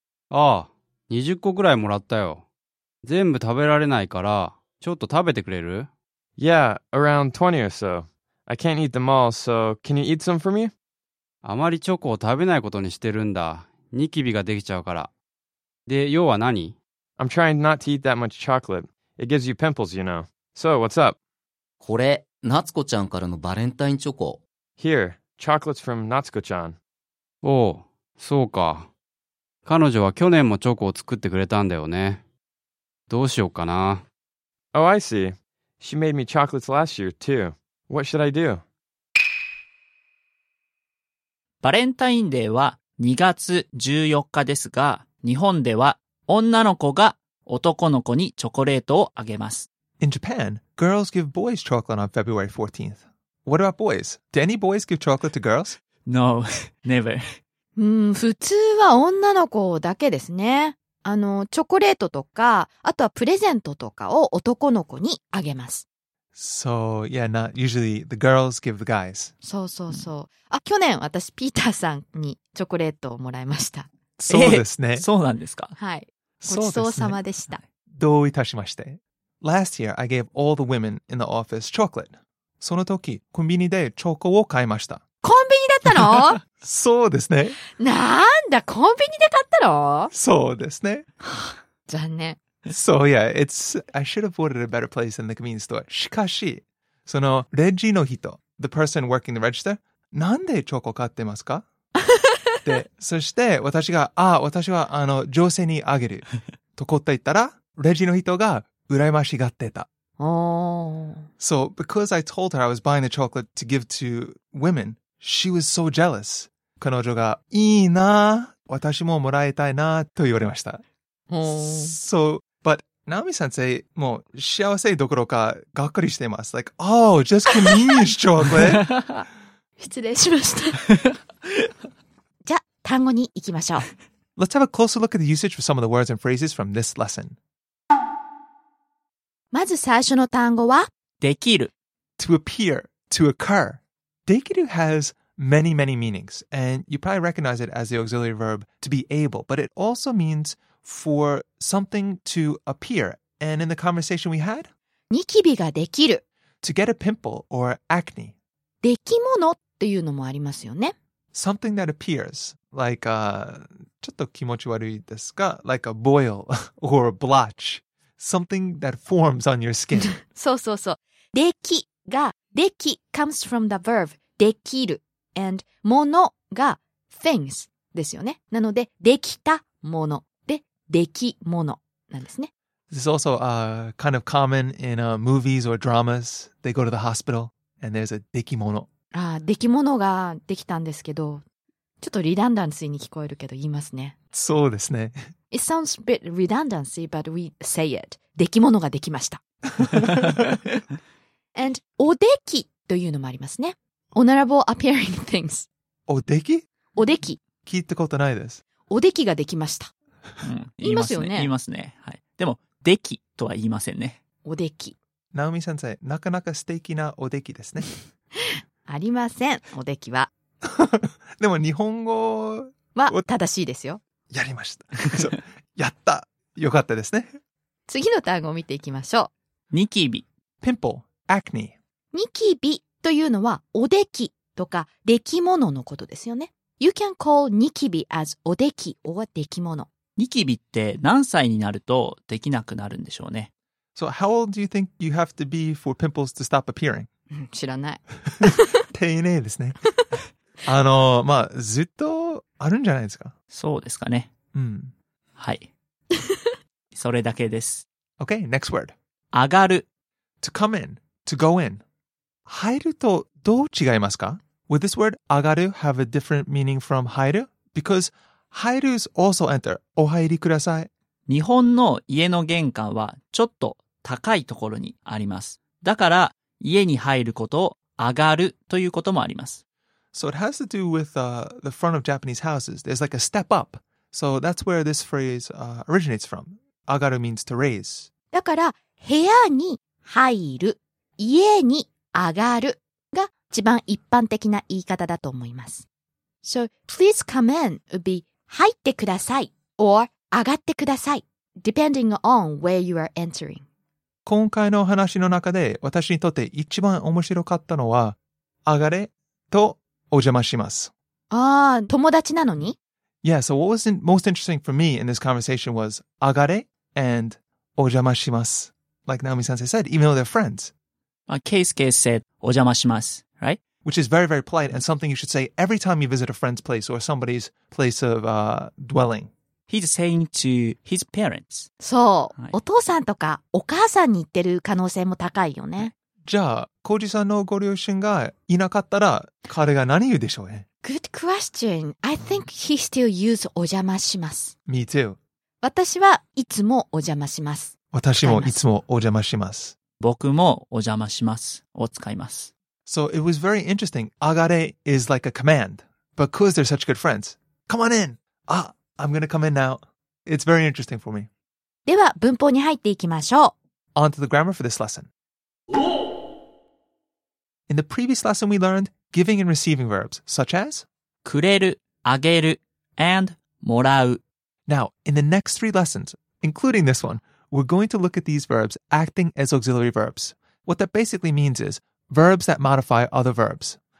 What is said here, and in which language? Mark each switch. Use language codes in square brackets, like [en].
[ja] ああ、20個くらいもらったよ。全部食べられないから、ちょっと食べてくれる？ [en] Yeah, around 20 or so. I can't eat them all, so can you eat some for me? [ja] あまりチョコを食べないことにしてるんだ。ニキビができちゃうから。で、要は何？ [en] I'm trying not to eat that much chocolate. It gives you pimples, you know. So, what's up? [ja] これ。夏子ちゃんからのバレンタインチョコ。 Here, chocolates from Natsuko-chan. おう、そうか。彼女は去年もチョコを作ってくれたんだよね。どうしようかな。 [en] Oh, I see. She made me chocolates last year, too. What should I do? [ja] バレンタインデーは2月14日ですが、日本では女の子が男の子にチョコレートをあげます。 [en] In Japan, girls give boys chocolate on February 14th. What about boys? Do any boys give chocolate to girls? No, never. [ja] 普通は女の子だけですね。チョコレートとか、あとはプレゼントとかを男の子にあげます。 [en] So, yeah, not usually the girls give the guys. [ja] そうそうそう。あ、去年私、ピーターさんにチョコレートをもらいました。そうですね。そうなんですか。はい。ごちそうさまでした。どういたしまして。 [en] Last year, I gave all the women in the office chocolate. [ja] その時、コンビニでチョコを買いました。コンビニだったの？そうですね。なんだ、コンビニで買ったの？そうですね。残念。 [en] So yeah, I should have bought it at a better place than the convenience store. [ja] しかし、そのレジの人、 [en] the person working the register, [ja] なんでチョコ買ってますか？で、そして私が、ああ、私は女性にあげる。と答えたら、レジの人が、羨ましがってた。 [en] So, because I told her I was buying the chocolate to give to women, she was so jealous. [ja] 彼女が、いいな、私ももらいたいな、と言われました。 [en] So, but [ja] Naomi-sensei, もう幸せどころかがっかりしています。 [en] Like, oh, just convenience chocolate. [ja] 失礼しました。じゃあ、単語に行きましょう。 [en] Let's have a closer look at the usage for some of the words and phrases from this lesson. [ja] まず最初の単語は、できる。 [en] To appear, to occur. できる has many, many meanings, and you probably recognize it as the auxiliary verb to be able, but it also means for something to appear. And in the conversation we had, [ja] ニキビができる。 [en] To get a pimple or acne. [ja] できものっていうのもありますよね。 [en] Something that appears, like, [ja] ちょっと気持ち悪いですが、 [en] like a boil or a blotch. Something that forms on your skin. [ja] そうそうそう。できが、でき [en] comes from the verb [ja] できる。 And ものが things ですよね。なので、できたもので、できものなんですね。 [en] This is also kind of common in movies or dramas. They go to the hospital and there's a できもの。 [ja] ああ、できものができたんですけど、ちょっとリダンダンシーに聞こえるけど言いますね。そうですね。 [en] It sounds a bit redundancy, but we say it. [ja] できものができました。 [en] And おできというのもありますね。 Honorable appearing things. [ja] おでき？おでき。聞いたことないです。おできができました。うん、言いますよね。言いますね。はい。でも、できとは言いませんね。おでき。ナオミ先生、なかなか素敵なおできですね。ありません、おできは。でも、日本語は正しいですよ。やりましたそうやったよかったですね次の単語を見ていきましょうニキビ [en] Pimple Acne [ja] ニキビというのはおできとかできもののことですよね [en] You can call ニキビ as おでき or できもの [ja] ニキビって何歳になるとできなくなるんでしょうね [en] So how old do you think you have to be for pimples to stop appearing? [ja] 知らない丁寧ですねまあ、ずっとあるんじゃないですか。そうですかね。うん。はい。それだけです。 [en] Okay, next word. [ja] 上がる。 [en] To come in, to go in. [ja] 入るとどう違いますか [en] ?Would this word 上がる have a different meaning from 入る ?Because 入る is also enter. [ja] お入りください。日本の家の玄関はちょっと高いところにあります。だから家に入ることを上がるということもあります。 [en] So it has to do with the front of Japanese houses. There's like a step up. So that's where this phrase originates from. 上がる means to raise. [ja] だから部屋に入る、家に上がるが一番一般的な言い方だと思います。 [en] So please come in would be 入ってください or 上がってください depending on where you are entering. [ja] 今回の話の中で私にとって一番面白かったのは上がれとお邪魔します。ああ、友達なのに [en] Yeah, so what was most interesting for me in this conversation was 上がれ and お邪魔します。 Like Naomi-sensei said, even though they're friends. Keisuke said, お邪魔します, right? Which is very, very polite and something you should say every time you visit a friend's place or somebody's place of dwelling. He's saying to his parents. [ja] そう、right. お父さんとかお母さんに言ってる可能性も高いよね。じゃあ、コージさんのご両親がいなかったら、彼が何言うでしょうね [en] ?Good question. I think he still use お邪魔します。 Me too. [ja] 私はいつもお邪魔します。私もいつもお邪魔します。僕もお邪魔しますを使います。 [en] So it was very interesting. Agare is like a command. Because they're such good friends. Come on in! Ah, I'm gonna come in now. It's very interesting for me. [ja] では文法に入っていきましょう。 [en] On to the grammar for this lesson. In the previous lesson we learned giving and receiving verbs, such as くれる、あげる、and もらう。 Now, in the next three lessons, including this one, we're going to look at these verbs acting as auxiliary verbs. What that basically means is verbs that modify other verbs.